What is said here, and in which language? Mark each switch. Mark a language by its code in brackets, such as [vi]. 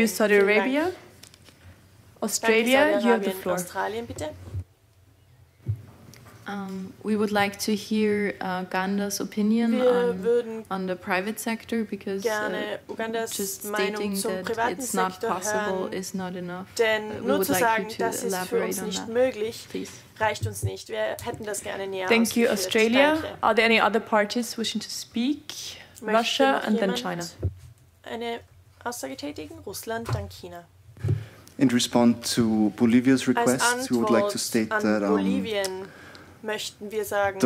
[en] You, Saudi Arabia. Australia, [de] Danke, [en] you have the floor. [de] Australien, bitte. [en] We would like to hear Uganda's opinion on the private sector, because just stating that it's not possible is not enough. [de] Denn nur zu sagen, das ist für uns nicht möglich, reicht uns nicht. Wir hätten das gerne näher ausgeführt. [en] Thank you, Australia. Are there any other parties wishing to speak? Russia and then China. [de] Eine Aussage tätigen? Russland, dann China. [en] In response to Bolivia's request, we would like to state that [de] möchten wir sagen,